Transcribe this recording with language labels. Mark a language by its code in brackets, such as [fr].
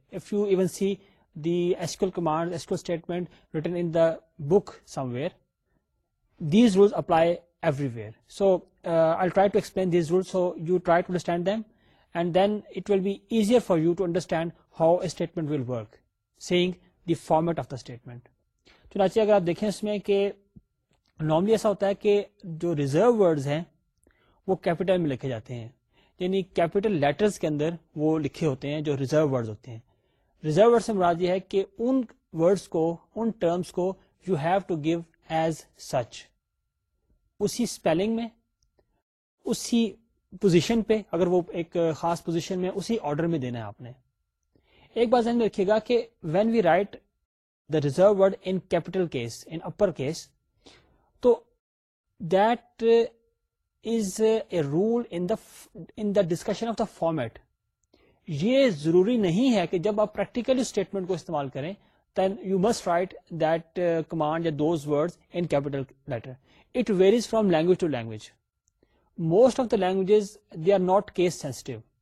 [en] If you even see the SQL command, SQL statement written in the book somewhere, these rules apply everywhere. So I'll try to explain these rules so you try to understand them, and then it will be easier for you to understand how a statement will work, seeing the format of the statement. [ur] چنانچہ اگر آپ دیکھیں اس میں کہ normally ایسا ہوتا ہے کہ جو ریزرو ورڈز ہیں وہ کیپیٹل میں لکھے جاتے ہیں, یعنی کیپیٹل لیٹرز کے اندر وہ لکھے ہوتے ہیں جو ریزرو ورڈز ہوتے ہیں. ریزرو ورڈ سے مراد یہ ہے کہ ان ورڈز کو, ان ٹرمز کو [en] you have to give as such, [ur] اسی سپیلنگ میں, اسی پوزیشن پہ, اگر وہ ایک خاص پوزیشن میں, اسی آرڈر میں دینا ہے آپ نے. ایک بات ذہن میں رکھیے گا کہ [en] When we write the reserve word in capital case, in upper case, تو that is a rule in the discussion of the format. [ur] یہ ضروری نہیں ہے کہ جب آپ پریکٹیکلی اسٹیٹمنٹ کو استعمال کریں [en] then you must write that command or those words in capital letter. It varies from language to language. Most of the languages, they are not case sensitive.